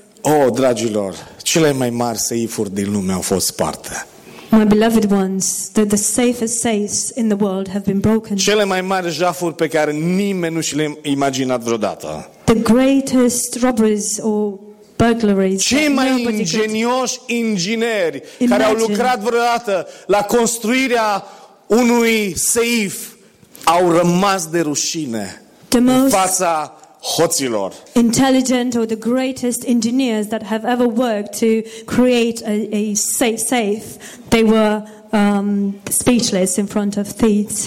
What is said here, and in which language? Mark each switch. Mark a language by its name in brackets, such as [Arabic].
[Romanian] Oh, dragilor, cele mai mari seifuri din lume au fost sparte. [English] My beloved ones, the safest safes in the world have been broken. [Romanian] Cele mai mari jafuri pe care nimeni nu și le-a imaginat vreodată. [English] The greatest robberies or burglaries. [Romanian] Cei mai ingenioși ingineri care au lucrat vreodată la construirea unui seif au rămas de rușine în fața hoților. [English] Intelligent or the greatest engineers that have ever worked to create a safe, they were speechless in front of thieves.